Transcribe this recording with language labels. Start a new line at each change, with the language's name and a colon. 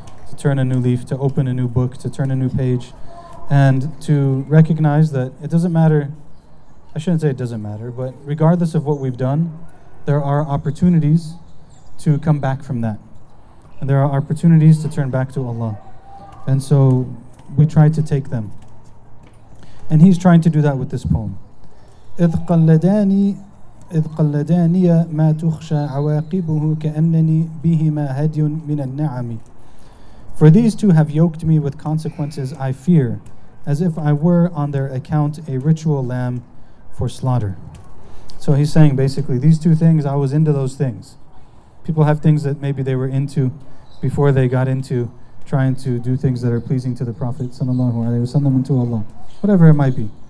English: To turn a new leaf, to open a new book, to turn a new page, and to recognize that it doesn't matter, I shouldn't say it doesn't matter, but regardless of what we've done, there are opportunities to come back from that. And there are opportunities to turn back to Allah. And so we try to take them. And he's trying to do that with this poem.
Arabic: إذ قلداني ما تخشى عواقبه كأنني بهما هدي من النعم.
English: For these two have yoked me with consequences I fear, as if I were on their account a ritual lamb for slaughter. So he's saying basically, these two things, I was into those things. People have things that maybe they were into before they got into trying to do things that are pleasing to the Prophet sallallahu alaihi wasallam and to Allah. Whatever it might be.